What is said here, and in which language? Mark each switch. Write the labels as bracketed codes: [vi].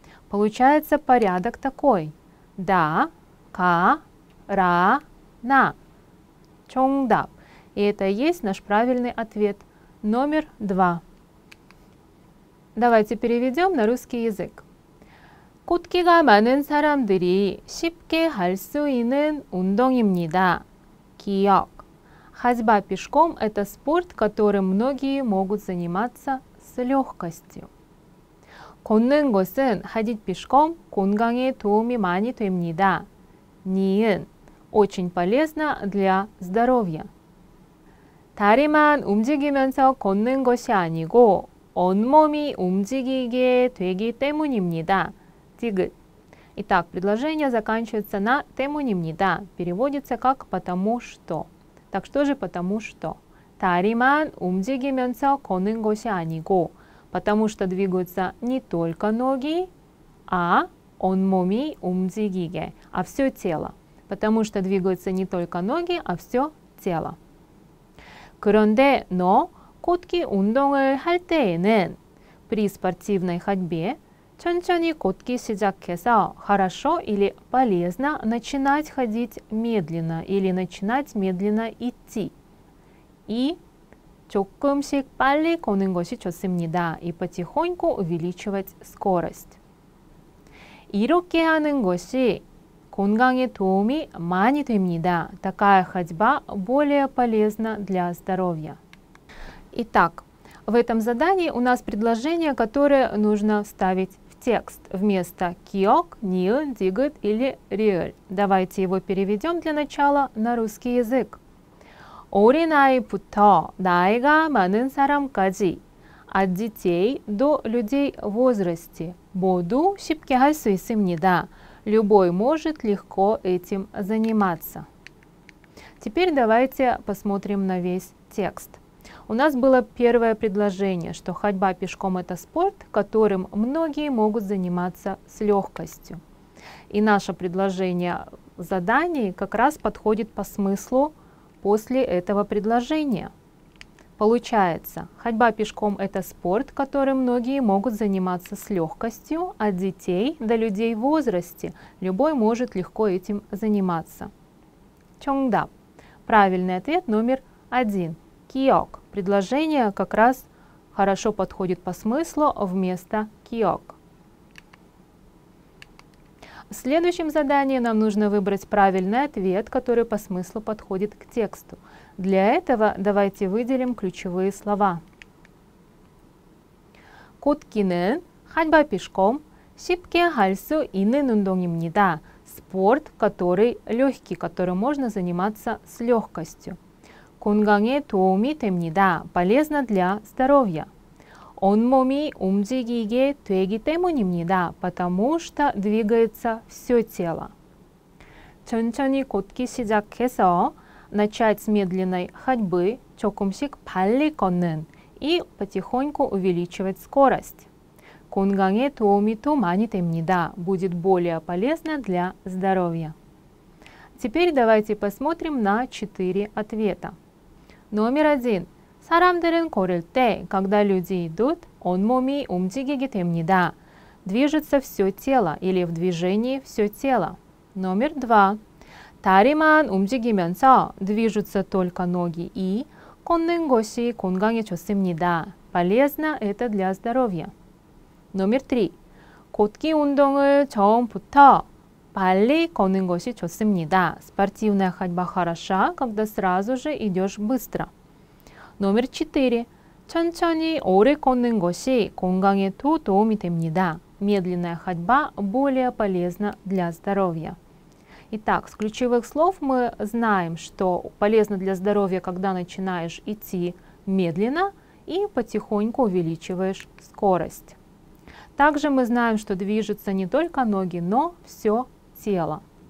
[ru] Получается порядок такой. Да, ка, ра, на. Чонгдап. И это и есть наш правильный ответ. Номер два. Давайте переведем на русский язык. [ko] 꽃기가 많은 사람들이 쉽게 할 수 있는 운동입니다. 기억. [ru] Ходьба пешком – это спорт, которым многие могут заниматься с легкостью. [ko] 걷는 것은 [ru] ходить пешком [ko] 건강에 도움이 많이 됩니다. 니은 [ru] очень полезно для здоровья. [ko] 다리만 움직이면서 걷는 것이 아니고 온몸이 움직이게 되기 때문입니다. 디귿. [ru] Итак, предложение заканчивается на 때문입니다. Переводится как потому что. Так что же потому что? [ko] 다리만 움직이면서 걷는 것이 아니고, [ru] потому что двигаются не только ноги, а [ko] 온몸이 움직이게, [ru] а все тело. Потому что двигаются не только ноги, а все тело. [ko] 그런데, [ru] но, [ko] 걷기 운동을 할 때에는, [ru] при спортивной ходьбе, [ko] 천천히 걷기 시작해서, [ru] хорошо или полезно начинать ходить медленно, или начинать медленно идти. [ko] И 조금씩 빨리 걷는 것이 좋습니다. [ru] И потихоньку увеличивать скорость. [ko] 이렇게 하는 것이 건강에 도움이 많이 됩니다. [ru] Такая ходьба более полезна для здоровья. Итак, в этом задании у нас предложение, которое нужно вставить в текст вместо киок, ниын, дигыт или риэль. Давайте его переведем для начала на русский язык. [ko] 어린아이부터 나이가 많은 사람까지, [ru] от детей до людей в возрасте, [ko] 모두 쉽게 할 수 있습니다. [ru] Любой может легко этим заниматься. Теперь давайте посмотрим на весь текст. У нас было первое предложение, что ходьба пешком – это спорт, которым многие могут заниматься с легкостью. И наше предложение в задании как раз подходит по смыслу после этого предложения. Получается, ходьба пешком – это спорт, которым многие могут заниматься с легкостью, от детей до людей в возрасте. Любой может легко этим заниматься. Чонгдап. Правильный ответ номер один. Киок. Предложение как раз хорошо подходит по смыслу вместо киок. В следующем задании нам нужно выбрать правильный ответ, который по смыслу подходит к тексту. Для этого давайте выделим ключевые слова. [ko] 걷기는 [ru] ходьба пешком [ko] 쉽게 할 수 있는 운동입니다. [ru] Спорт, который легкий, которым можно заниматься с легкостью. [ko] 건강에 도움이 됩니다. [ru] Полезно для здоровья. [ko] 온몸이 움직이게 되기 때문입니다. [ru] Потому что двигается все тело. [ko] 천천히 걷기 시작해서 [ru] начать с медленной ходьбы, [ko] 조금씩 빨리 걷는 [ru] и потихоньку увеличивать скорость. [ko] 건강에 도움이 더 많이 됩니다. [ru] Будет более полезно для здоровья. Теперь давайте посмотрим на 4 ответа. Номер один. [ko] 사람들은 걸을 때, [ru] когда люди идут, [ko] 온몸이 움직이게 됩니다. [ru] Движется все тело или в движении все тело. Номер два. [ko] 다리만 움직이면서 [ru] движутся только ноги и [ko] 걷는 것이 건강에 좋습니다. [ru] Полезно это для здоровья. Номер три. [ko] 걷기 운동을 처음부터 빨리 걷는 것이 좋습니다. [ru] Спортивная ходьба хороша, когда сразу же идешь быстро. Номер 4. [ko] 천천히 오래 걷는 것이 건강에 더 도움이 됩니다. [ru] Медленная ходьба более полезна для здоровья. Итак, с ключевых слов мы знаем, что полезно для здоровья, когда начинаешь идти медленно и потихоньку увеличиваешь скорость. Также мы знаем, что движутся не только ноги, но все тело.